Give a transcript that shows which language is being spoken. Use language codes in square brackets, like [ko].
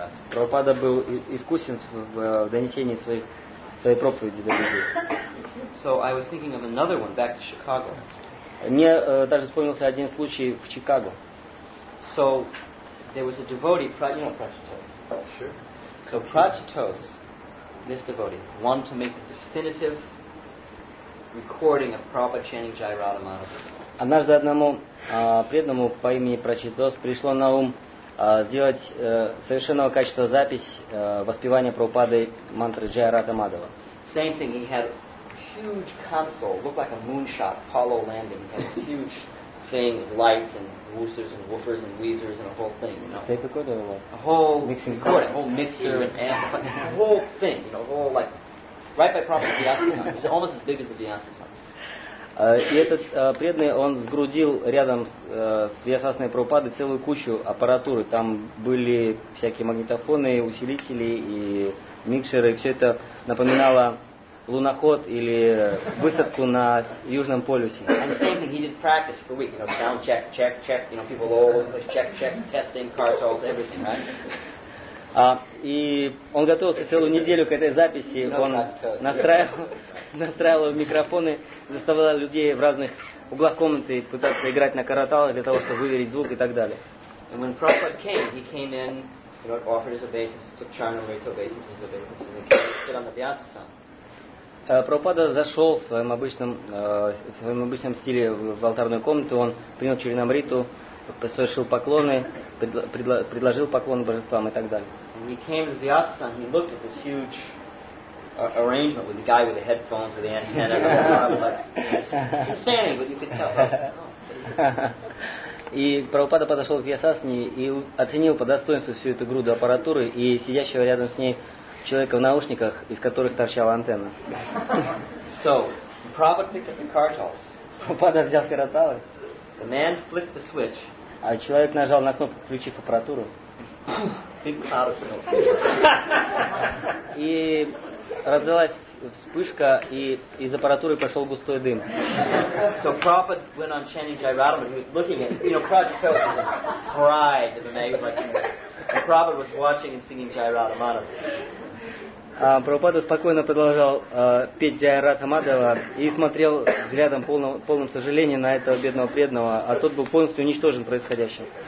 [ru] Прабхупада был искусен в донесении своей проповеди до людей. [en] So I was thinking of another one back to Chicago. [ru] Мне даже вспомнился один случай в Чикаго. [en] So there was a devotee, you know Prachitos. Sure. So Prachitos, this devotee, wanted to make the definitive recording of Prabhupada chanting Jai Radha Madhava. [ru] Однажды одному преданному по имени Прачитос пришло на ум сделать совершенного качества запись воспевания Прабхупады мантры Джая Радха Мадхава. [en] Same thing, he had a huge console, looked like a moonshot, Apollo landing, had this huge thing with lights and woosters and woofers and weezers and a whole thing, you know. Tape recorder or what? A whole mixing course, a whole mixer and amp, a whole thing, you know, a whole like right by Prabhupada's Vyasa Sangha. It was almost as big as the Vyasa Sangha. [ru] И этот преданный, он сгрудил рядом с Вьясасаной Прабхупадой целую кучу аппаратуры. Там были всякие магнитофоны, усилители и микшеры. Все это напоминало луноход или высадку на Южном полюсе. [en] And the same thing, he did practice for a week, you know, sound check, check, check, you know, people all over the place, check, check, testing, cartels, everything, right? [ru] И он готовился целую неделю к этой записи, он настраивал микрофоны, заставлял людей в разных углах комнаты пытаться играть на караталах для того, чтобы выверить звук и так далее. [en] And when Prabhupada came, he came in, you know, offered his obeisances, took Charanamrita obeisances, obeisances, and he came to sit on the Vyasa. [ru] Прабхупада зашел в своем обычном стиле в алтарную комнату, он принял Чаринамриту, совершил поклоны, предложил поклоны божествам и так далее. [en] And he came to Vyasa and he looked at this huge arrangement with the guy with the headphones with the antenna. And like, he was standing, but you could tell. [ru] И Прабхупада подошел к Вьясасане и оценил по достоинству всю эту груду аппаратуры и сидящего рядом с ней человека в наушниках, из которых торчала антенна. [en] So, Prabhupada picked up the cartels. [ru] Prabhupada взял караталы. [en] The man flipped the switch. [ru] А человек нажал на кнопку, включив аппаратуру. [en] Big cloud of smoke. [ru] И раздалась вспышка, и из аппаратуры пошел густой дым. [en] So Prabhupada went on chanting Jai Radha, he was looking at, you know, Prabhupada felt the pride of the man, he was like, and Prabhupada was watching and singing Jai Radha Madhava. [ru] Прабхупада спокойно продолжал петь Джай Радха Мадхава и смотрел взглядом полным сожалением на этого бедного преданного, а тот был полностью уничтожен происходящим.